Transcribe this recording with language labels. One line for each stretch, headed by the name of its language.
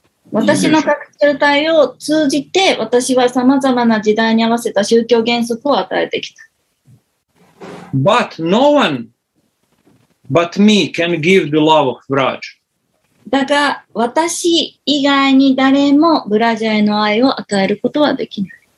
Japanese: 私の拡張体を通じて、私はさまざまな時代に合わせた宗教原則を与えてきた。
English: But no one but me can give the love of Braj.
Japanese: だが、私以外に誰もブラジャへの愛を与えることはできない。